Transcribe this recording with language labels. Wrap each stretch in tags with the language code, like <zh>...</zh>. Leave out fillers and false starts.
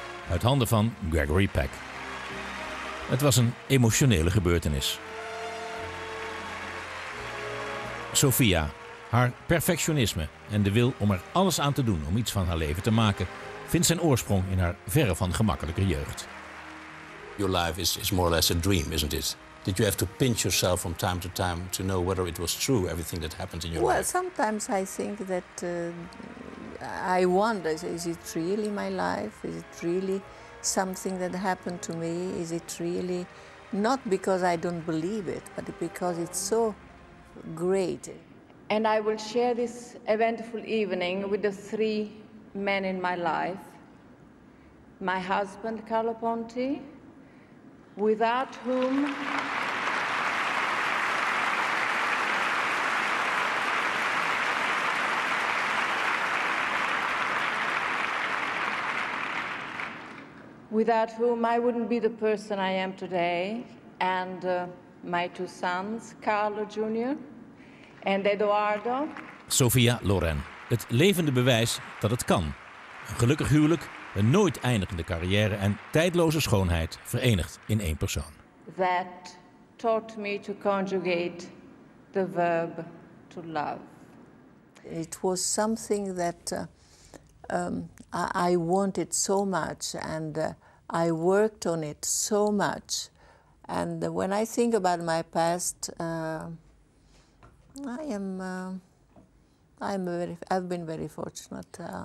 <nl>Uit handen van Gregory Peck. Het was een emotionele gebeurtenis. Sophia, haar perfectionisme en de wil om er alles aan te doen om iets van haar leven te maken, vindt zijn oorsprong in haar verre van gemakkelijke jeugd.</nl> <en>your life is more or less a dream, isn't it? Did you have to pinch yourself from time to time to know whether it was true, everything that happened in your life? Well, sometimes I think that I wonder, is it really my life? Is it really something that happened to me? Is it really, not because I don't believe it, but because it's so great. And I will share this eventful evening with the three men in my life. My husband, Carlo Ponti, without whom I wouldn't be the person I am today, and my two sons, Carlo Jr. and Eduardo.</en> <nl>Sophia Loren, het levende bewijs dat het kan. Een gelukkig huwelijk, een nooit eindigende carrière en tijdloze schoonheid verenigd in één persoon.</nl> <en>That taught me to conjugate the verb to love. It was something that I wanted so much, and I worked on it so much. And when I think about my past, I've been very fortunate.</en>